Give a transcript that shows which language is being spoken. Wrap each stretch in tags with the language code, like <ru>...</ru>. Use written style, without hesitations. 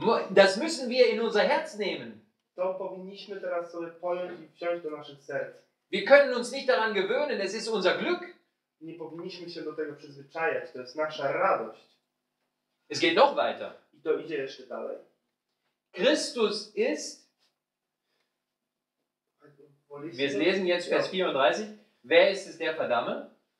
<de>Das müssen wir in unser Herz nehmen.</de> <pl>To powinniśmy teraz sobie pojąć i wziąć do naszych serc.</pl> <de>Wir können uns nicht daran gewöhnen, es ist unser Glück.</de> <pl>Nie powinniśmy się do tego przyzwyczajać, to jest nasza radość.</pl> <de>Es geht noch weiter.</de> <pl>I to idzie jeszcze dalej.</pl> <de>Christus ist... Wir lesen jetzt Vers 34. Wer ist es, der verdamme?</de>